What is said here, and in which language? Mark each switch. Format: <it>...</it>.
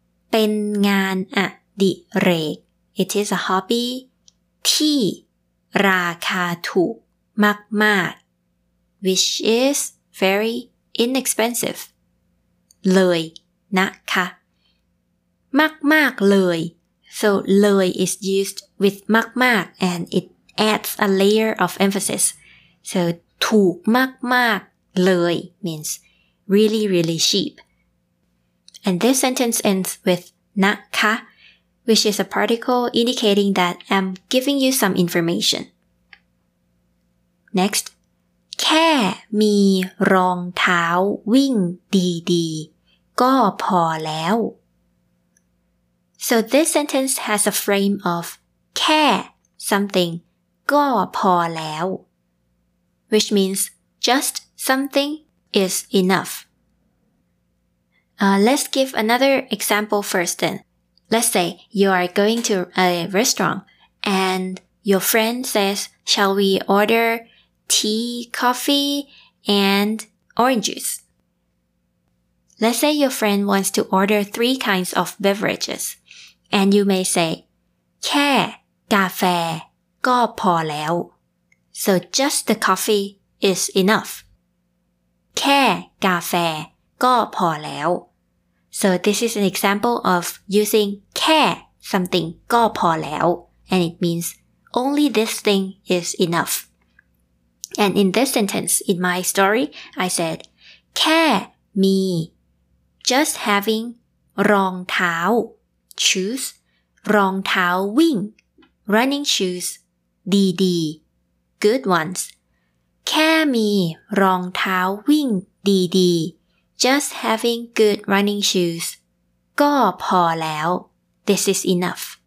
<en>เป็นงานอดิเรก it is a hobby ที่ราคาถูกมากๆ which is very inexpensive เลยนะคะมากๆเลยSo, เลย is used with มากๆ and it adds a layer of emphasis. So, ถูกมากๆเลย means really, really cheap. And this sentence ends with นะคะ which is a particle indicating that I'm giving you some information. Next,</en> <th>แค่มีรองเท้าวิ่งดีๆก็พอแล้ว</th> <en>So this sentence has a frame of แค่ something ก็พอแล้ว which means just something is enough. Let's give another example first then. Let's say you are going to a restaurant and your friend says, shall we order tea, coffee, and orange juice? Let's say your friend wants to order three kinds of beverages. And you may say,</en> <th>แค่กาแฟก็พอแล้ว</th> <en>So just the coffee is enough.</en> <th>แค่กาแฟก็พอแล้ว</th> <en>So this is an example of using แค่ something ก็พอแล้ว And it means only this thing is enough. And in this sentence, in my story, I said, แค่มี just having รองเท้าshoes รองเท้าวิ่ง running shoes ดีๆ good ones</en> <th>แค่มีรองเท้าวิ่งดีๆ</th> <en>just having good running shoes ก็พอแล้ว this is enough</en>